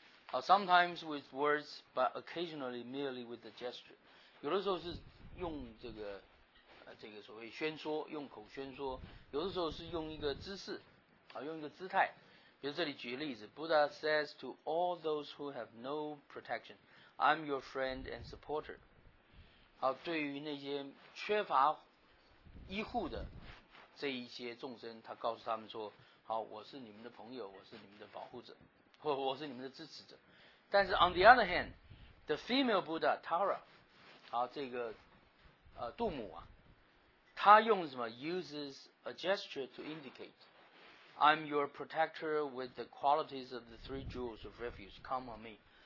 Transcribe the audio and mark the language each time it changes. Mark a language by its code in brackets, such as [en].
[en] Sometimes with words， but occasionally merely with a gesture。 [zh] 有的时候是用这个所谓宣说，用口宣说；有的时候是用一个姿势，啊，用一个姿态。比如这里举个例子 [en] ：Buddha says to all those who have no protection, "I'm your friend and supporter." [zh] 好，对于那些缺乏医护的这一些众生，他告诉他们说：好，我是你们的朋友，我是你们的保护者，或我是你们的支持者。但是 [en] on the other hand, the female Buddha Tara。 [zh] 好，这个杜母啊，他用什么 [en] ？uses a gesture to indicate, "I'm your protector with the qualities of the three jewels of refuge. Come on me."